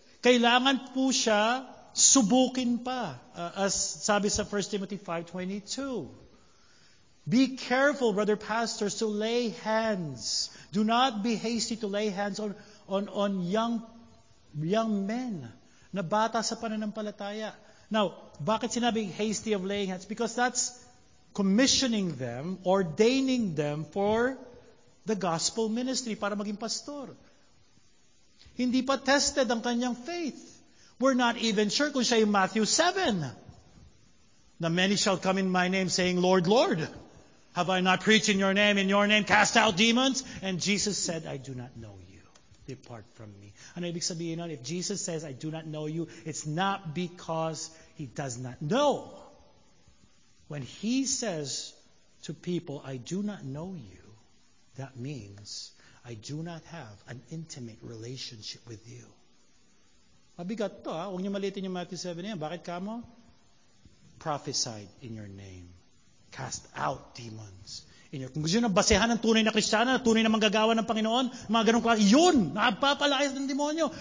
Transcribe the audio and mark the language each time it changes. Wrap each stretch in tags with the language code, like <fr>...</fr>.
<tl>Kailangan po siya subukin pa. As sabi sa 1 Timothy 5:22.</tl> <en>Be careful, brother pastors, to lay hands. Do not be hasty to lay hands on young men</en> <tl>na bata sa pananampalataya.</tl> <en>Now,</en> <tl>bakit sinabi</tl> <en>hasty of laying hands? Because that's commissioning them, ordaining them for the gospel ministry</en> <tl>para maging pastor. Hindi pa tested ang kanyang faith.</tl> <en>We're not even sure</en> <tl>kung siya yung</tl> <en>Matthew 7. Na many shall come in my name saying, Lord, Lord, have I not preached in your name cast out demons? And Jesus said, I do not know you. Depart from me.</en> <tl>Ano ibig sabihin nun?</tl> <en>If Jesus says, I do not know you, it's not because He does not know. When He says to people, I do not know you, that means I do not have an intimate relationship with you.</en> <tl>Mabigat to, ha? Huwag niyo malitin yung Matthew 7 yan. Bakit ka mo?</tl> <en>Prophesied in your name. Cast out demons.</en> <tl>Kung gusto nyo na basehan ng tunay na Kristiyano, tunay na manggagawa ng Panginoon, mga ganun klase, yun! Napapalayas ng demonyo.</tl>